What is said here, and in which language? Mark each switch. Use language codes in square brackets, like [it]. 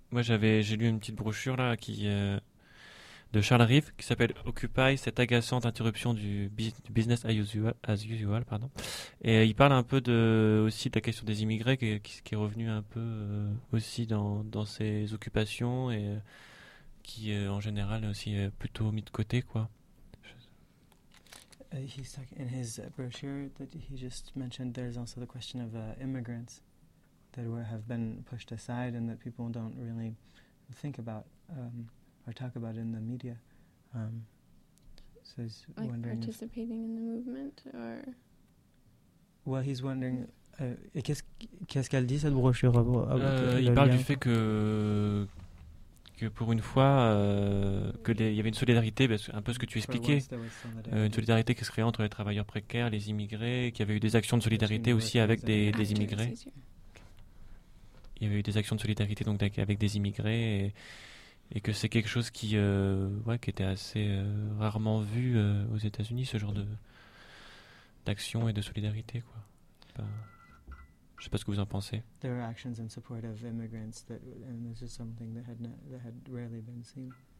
[fr] Moi, j'ai lu une petite brochure là de Charles Reeve qui s'appelle Occupy, cette agaçante interruption du [en] business as usual, [fr] pardon. Et il parle un peu aussi de la question des immigrés qui est revenue un peu aussi dans ses occupations et qui en général est aussi plutôt mis de côté, quoi. [en] He's talking in his brochure that he just mentioned, there's also the question of immigrants that have been pushed aside and that people don't really think about or talk about in the media. So he's like wondering participating in the movement, or? Well, he's wondering. [fr] Et qu'est-ce qu'elle dit cette brochure? Il parle du fait que pour une fois, qu'il y avait une solidarité, un peu ce que tu expliquais, une solidarité qui se créait entre les travailleurs précaires, les immigrés, qu'il y avait eu des actions de solidarité aussi avec des immigrés. Il y avait eu des actions de solidarité donc avec des immigrés et que c'est quelque chose qui était assez rarement vu aux États-Unis, ce genre d'action et de solidarité, quoi. Je ne sais pas ce que vous en pensez. [en] There were actions in support of immigrants that, and this is something that had not, that had rarely been seen.